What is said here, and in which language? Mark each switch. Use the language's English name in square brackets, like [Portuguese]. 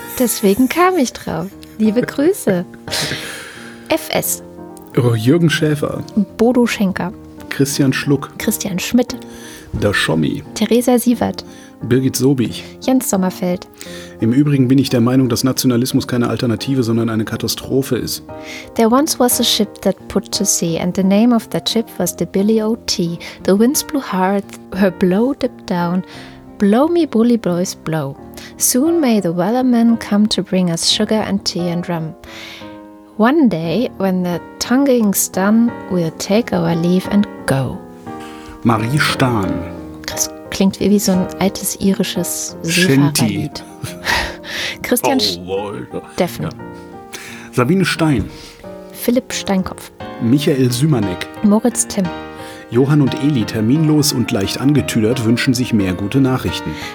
[German] Deswegen kam ich drauf. Liebe Grüße. FS. Jürgen Schäfer. Bodo Schenker. Christian Schluck. Christian Schmidt. Der Schommi. Theresa Sievert. Birgit Sobich. Jens Sommerfeld. Im Übrigen bin ich der Meinung, dass Nationalismus keine Alternative, sondern eine Katastrophe ist. [English] There once was a ship that put to sea, and the name of that ship was the Billy O.T. The winds blew hard, her blow dipped down. Blow me, bully boys, blow. Soon may the weathermen come to bring us sugar and tea and rum. One day, when the tonguing's done, we'll take our leave and go. [German] Marie Stahn. Das klingt wie so ein altes irisches Seefahrerlied. Christian Steffen. Ja. Sabine Stein. Philipp Steinkopf. Michael Sümerneck. Moritz Timm. Johann und Eli, terminlos und leicht angetüdert, wünschen sich mehr gute Nachrichten.